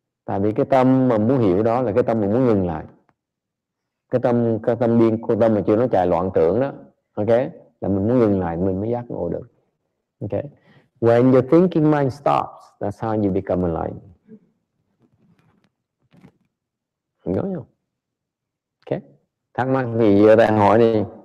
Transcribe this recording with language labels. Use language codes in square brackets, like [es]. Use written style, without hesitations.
[vi] Tại vì cái tâm mà muốn hiểu đó là cái tâm mà muốn ngừng lại. Cái tâm điên, cái tâm mà chưa nó chạy loạn tưởng đó. Okay? Là mình muốn ngừng lại, mình mới giác ngộ được. Okay? [en] When your thinking mind stops, that's how you become enlightened. [vi] Hiểu không? Okay. Thắc mắc gì giờ đây anh hỏi đi.